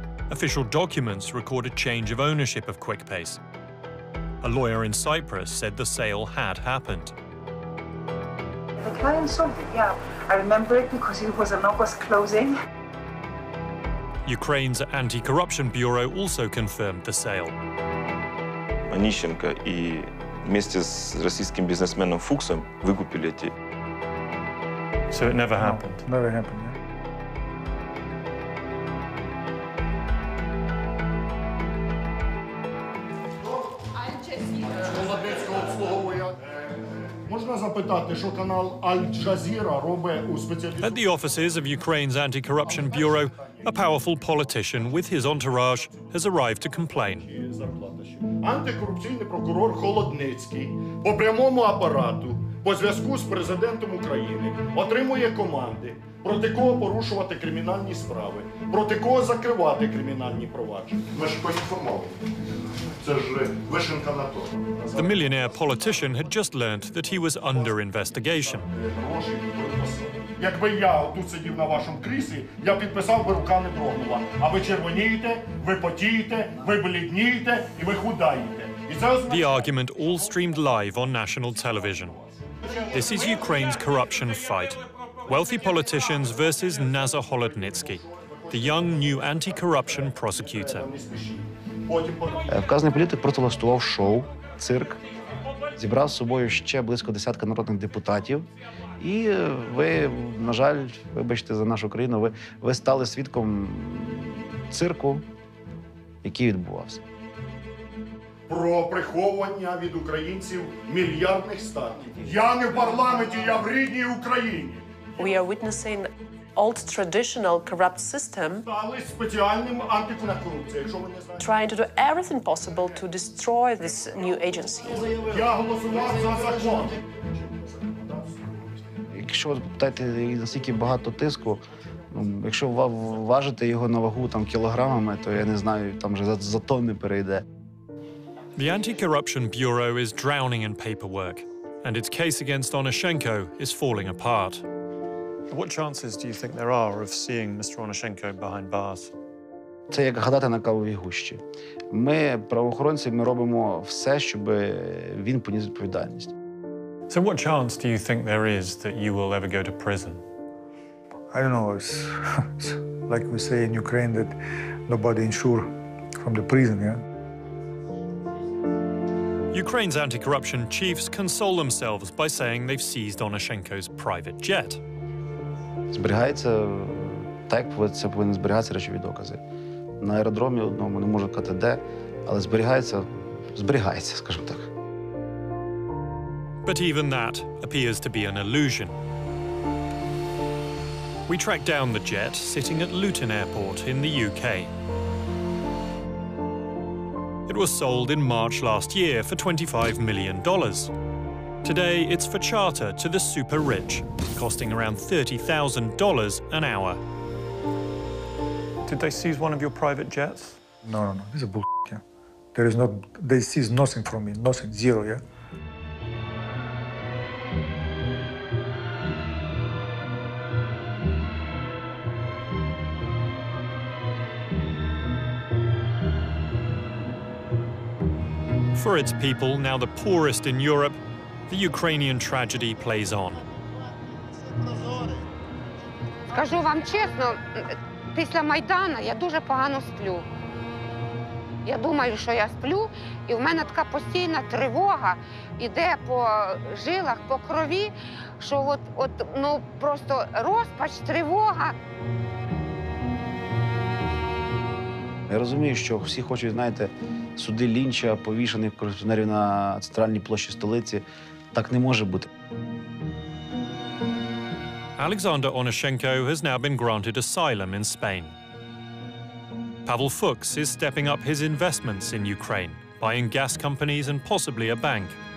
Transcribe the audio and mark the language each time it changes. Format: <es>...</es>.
<en>Official documents record a change of ownership of QuickPace. A lawyer in Cyprus said the sale had happened. The client sold it, yeah. I remember it because it was an August closing. Ukraine's anti-corruption bureau also confirmed the sale.</en> <ru>Онищенко и вместе с российским бизнесменом Фуксом выкупили эти.</ru> <en>So it never happened. No, never happened. Yeah. At the offices of Ukraine's anti-corruption bureau, a powerful politician with his entourage has arrived to complain. Anti-corruption</en> <uk>prokuror Холодницький по прямому апарату, по зв'язку з президентом України, отримує команди, проти кого порушувати кримінальні справи, проти кого закривати кримінальні провадження. Ми ж поінформовані.</uk> <en>The millionaire politician had just learned that he was under investigation.</en> <uk>якби я тут сидів на вашому кріслі, я підписав би, рука не дрогнула. А ви червонієте, ви потієте, ви бліднієте і ви худаєте.</uk> <en>The argument all streamed live on national television. This is Ukraine's corruption fight. Wealthy politicians versus Nazar Holodnitsky, the young new anti-corruption prosecutor.</en> <uk>Вказаний політик просто влаштував шоу, цирк, зібрав з собою ще близько десятка народних депутатів. І ви, на жаль, вибачте за нашу країну, ви стали свідком цирку, який відбувався. Про приховування від українців мільярдних статків. Я не в парламенті, я в рідній Україні.</uk> <en>We are witnessing old traditional corrupt system.</en> <uk>Стали спеціальним антикорупцією, якщо ви не знаєте.</uk> <en>Trying to do everything possible to destroy this new agency.</en> <uk>Я голосував за закон. Якщо ви питаєте, наскільки багато тиску, якщо важити його на вагу там кілограмами, то я не знаю, там вже за тонни перейде.</uk> <en>The Anti-Corruption Bureau is drowning in paperwork, and its case against Onoshenko is falling apart. What chances do you think there are of seeing Mr. Onoshenko behind bars?</en> <uk>Це як гадати на кавовій гущі. Ми, правоохоронці, ми робимо все, щоб він поніс відповідальність.</uk> <en>So what chance do you think there is that you will ever go to prison? I don't know. It's like we say in Ukraine that nobody insure from the prison, yeah? Ukraine's anti-corruption chiefs console themselves by saying they've seized Onoshenko's private jet.</en> <uk>Зберігається так, це повинні зберігатися речові докази. На аеродромі одному, не можу казати де, але зберігається, скажімо так.</uk> <en>But even that appears to be an illusion. We track down the jet sitting at Luton Airport in the UK. It was sold in March last year for $25 million. Today, it's for charter to the super rich, costing around $30,000 an hour. Did they seize one of your private jets? No. This is a bullshit, yeah. There is not, they seize nothing from me, nothing, zero, yeah. For its people, now the poorest in Europe, the Ukrainian tragedy plays on.</en> <uk>Скажу вам чесно, після Майдану я дуже погано сплю. Я думаю, що я сплю, і в мене така постійна тривога іде по жилах, по крові, що ну просто розпач, тривога. Я розумію, що всі хочуть, знаєте, суди Лінча, повішених корупціонерів на центральній площі столиці. Так не може бути.</uk> <en>Alexander Onoshenko has now been granted asylum in Spain. Pavel Fuchs is stepping up his investments in Ukraine, buying gas companies and possibly a bank.</en>